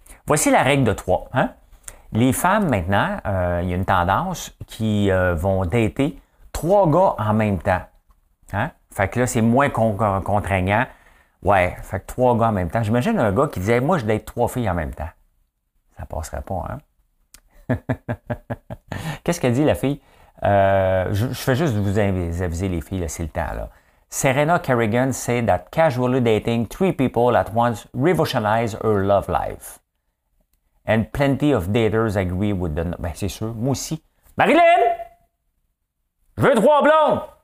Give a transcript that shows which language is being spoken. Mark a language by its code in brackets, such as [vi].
[fr] Voici la règle de trois. Hein? Les femmes, maintenant, il y a une tendance qui vont dater trois gars en même temps. Hein? Fait que là, c'est moins contraignant. Ouais, fait que trois gars en même temps. J'imagine un gars qui disait, moi, je date trois filles en même temps. Ça passerait pas, hein? Qu'est-ce qu'a dit la fille? Je fais juste vous aviser les filles, là, c'est le temps. Là. [en] Serena Kerrigan said that casually dating three people at once revolutionized her love life. And plenty of daters agree with the... [fr] Ben, c'est sûr, moi aussi. Marilyn! Je veux trois blondes!